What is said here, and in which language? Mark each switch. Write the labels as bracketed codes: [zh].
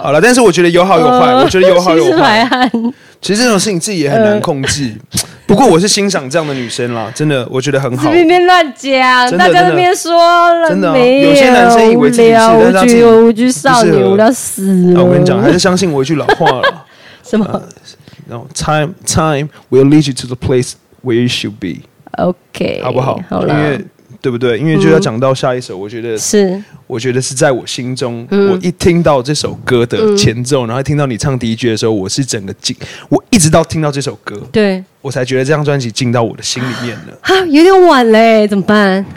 [zh] 好了，但是我觉得有好有坏，我觉得有好有坏。其实这种事情自己也很难控制，不过我是欣赏这样的女生啦，真的，我觉得很好。边边乱讲，大家那边说了，真的没有。有些男生以为自己是，无聊，无惧少女，无聊死了。我跟你讲，还是相信我一句老话了，什么？ [en] 然后 time will lead you to the place where you should be。 OK， [zh] 好不好？好了，因为对不对？因为就要讲到下一首，我觉得是。我觉得是在我心中，我一听到这首歌的前奏，然后听到你唱第一句的时候，我是整个进，我一直到听到这首歌，对，我才觉得这张专辑进到我的心里面了。啊，有点晚嘞，怎么办？